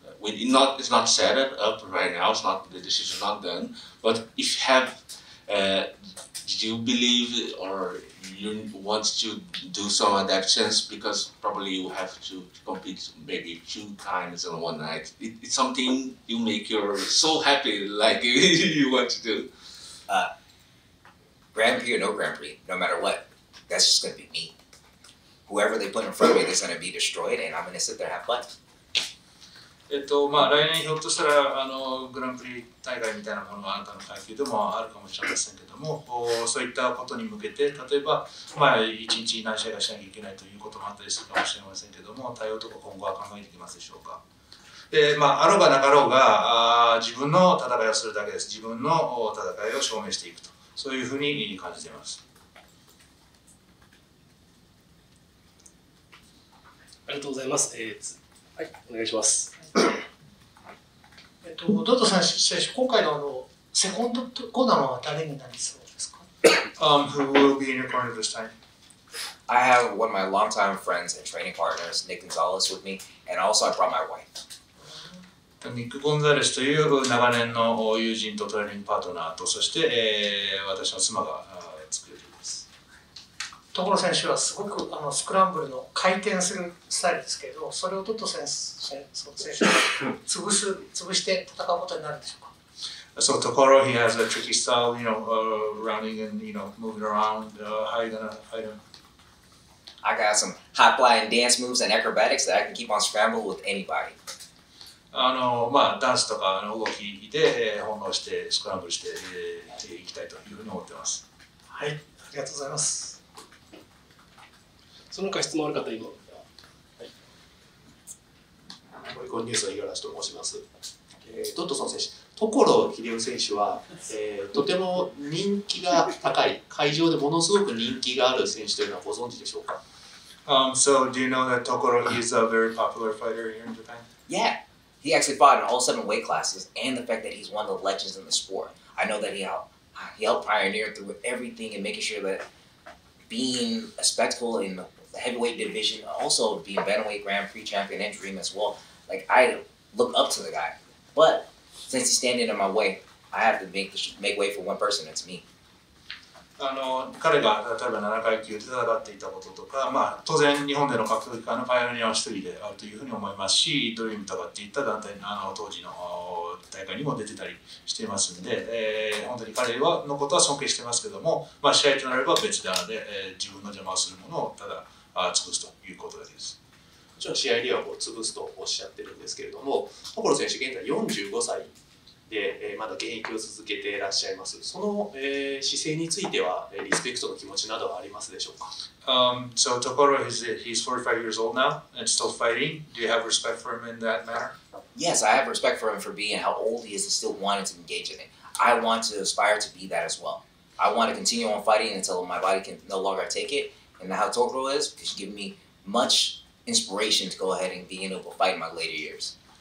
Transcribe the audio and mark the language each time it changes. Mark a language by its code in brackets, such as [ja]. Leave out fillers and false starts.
[en] It's not set up right now, the decision is not done, but if you have, did you believe or you want to do some adaptations, because probably you have to compete maybe two times in one night. It's something you make you so happy, like you want to do. Grand Prix or no Grand Prix, no matter what, that's just going to be me. Whoever they put in front of me, they're going to be destroyed, and I'm going to sit there and have fun. [ja] まあ、来年ひょっとしたらあのグランプリ大会みたいなものがあなたの階級でもあるかもしれませんけども、そういったことに向けて、例えば、まあ、1日何試合かしなきゃいけないということもあったりするかもしれませんけども、対応とか今後は考えていきますでしょうか。で、まあ、あろうがなかろうが自分の戦いをするだけです。自分の戦いを証明していくと、そういうふうに感じています。ありがとうございます。はい、お願いします。ドッドソン選手、今回 のセコンドとコーナーは誰になりそうですか？ [en] Who will be in your corner this time? I have one of my longtime friends and training partners, Nick Gonzalez, with me, and also I brought my wife. [ja] ニック・ゴンザレスという長年の友人とトレーニングパートナーと、そして、私の妻が作っています。所選手はすごくあのスクランブルの回転するスタイルですけど、それをドット選手が潰して戦うことになるんでしょうか。 [en] So, Tokoro, he has a tricky style, you know, running and, you know, moving around. How are you gonna fight him? I got some hot flying dance moves and acrobatics that I can keep on scramble with anybody. [ja] まあ、ダンスとかの動きで、翻弄してスクランブルして、いきたいというふうに思ってます。はい、ありがとうございます。その他質問ある方いますか？はい。このニュースは五十嵐と申します。ドッドソン選手、所秀夫選手は、とても人気が高い、会場でものすごく人気がある選手というのはご存知でしょうか？ [en] So do you know that Tokoro is a very popular fighter here in Japan? Yeah, he actually fought in all seven weight classes, and the fact that he's one of the legends in the sport. I know that he helped pioneer through everything and making sure that being a spectacle in the heavyweight division, also being bantamweight Grand Prix champion and Dream as well. Like, I look up to the guy. But since he's standing in my way, I have to make way for one person, it's me. [ja] 彼が例えば7階級で戦っていたこととか、まあ、当然日本での格闘技界のパイオニアは一人であるというふうに思いますし、ドリームとかっていった団体の当時の大会にも出てたりしていますので、本当に彼のことは尊敬していますけども、まあ、試合となれば別であるので、自分の邪魔をするものをただ潰すということです。もちろん試合ではこう潰すとおっしゃってるんですけれども、所選手現在45歳で、まだ現役を続けていらっしゃいます。その、姿勢については、リスペクトの気持ちなどはありますでしょうか？ [en] So Tokoro, he's 45 years old now and still fighting. Do you have respect for him in that manner? Yes, I have respect for him for being how old he is and still wanting to engage in it. I want to aspire to be that as well. I want to continue on fighting until my body can no longer take it. And how Tokoro is, because she gave me much inspiration to go ahead and being able to fight in my later years.